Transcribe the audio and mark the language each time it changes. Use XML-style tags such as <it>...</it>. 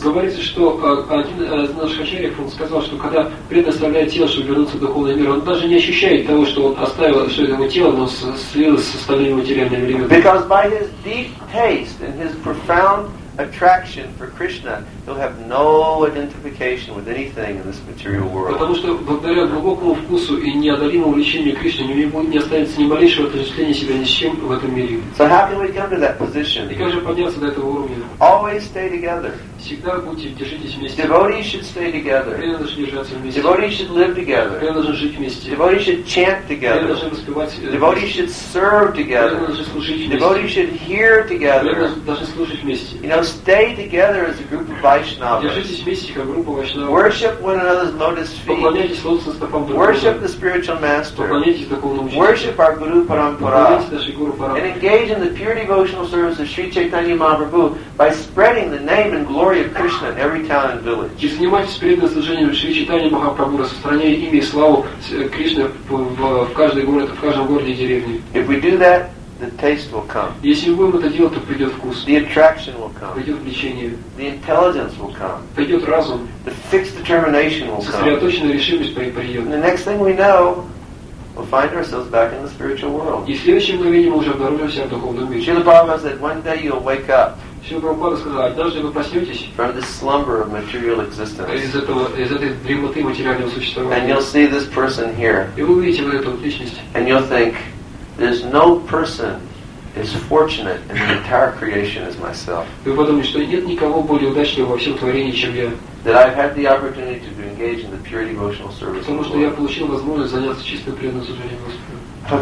<ru>Говорится, что один из наших ачарьев сказал, что когда преданный оставляет тело, чтобы вернуться в духовный мир, он даже не ощущает того, что он оставил все это тело, но слилось с остальными материальными элементами.</ru> <en>Because by his deep taste and his profound attraction for Krishna, he'll have no identification with anything in this material world.</en> <ru>Потому что благодаря глубокому вкусу и неодолимому влечению к Кришне, у него не останется ни малейшего отождествления себя ни с чем в этом мире.</ru> <en>So how can we come to that position?</en> <ru>И как же подняться до этого уровня?</ru> <en>Always stay together.</en> <ru>Всегда будьте, держитесь вместе.</ru> <en>Devotees should stay together.</en> <ru>Преданные должны держаться вместе.</ru> <en>Devotees should live together.</en> <ru>Преданные должны жить вместе.</ru> <en>Devotees should chant together.</en> <ru>Преданные должны воспевать вместе.</ru> <en>Devotees should serve together.</en> <ru>Преданные должны служить вместе.</ru> <en>Devotees should hear together.</en> <ru>Преданные должны слушать вместе.</ru> <en>You know, stay together as a group of Vaishnavas.</en> <ru>Держитесь вместе как группа Вайшнавов.</ru> <en>Worship one another's lotus feet.</en> <ru>Поклоняйтесь лотосным стопам друг друга.</ru> <en>Worship the spiritual master.</en> <ru>Поклоняйтесь духовному учителю.</ru> <en>Worship our Guru Parampara.</en> <ru>Поклоняйтесь нашей Гуру Парампаре.</ru> <en>And engage in the pure devotional service of Sri Chaitanya Mahaprabhu by spreading the name and glory of Krishna in every town and village.</en> <ru>И занимайтесь преданным служением Шри Чайтанья Махапрабху, распространяя имя и славу Кришны в каждом городе, в каждом городе и деревне.</ru> <en>If we do that, the taste will come.</en> <ru>Если мы будем это делать, то придет вкус.</ru> <en>The attraction will come.</en> <ru>Придет влечение.</ru> <en>The intelligence will come.</en> <ru>Придет разум.</ru> <en>The fixed determination will come.</en> <ru>Сосредоточенная решимость придет.</ru> <en>And the next thing we know, we'll find ourselves back in the spiritual world.</en> <ru>И в следующем мгновении уже обнаружимся в духовном мире.</ru> <en>Шрила Прабхупада</en> <ru>сказал,</ru> <en>one day you'll wake up.</en> <ru>Шрила Прабхупада сказал, однажды вы проснетесь.</ru> <en>From this slumber of material existence.</en> <ru>Из этой дремоты материального существования.</ru> <en>And you'll see this person here.</en> <ru>И вы увидите вот эту личность.</ru> <en>And you'll think, there's no person as fortunate in the entire creation as myself.</en> <ru>Вы подумаете, что нет никого более удачливого во всем творении, чем я.</ru> <en>That I've had the opportunity to engage in the pure devotional service.</en> <ru>Потому что я получил возможность заняться чистым преданным служением Господу.</ru>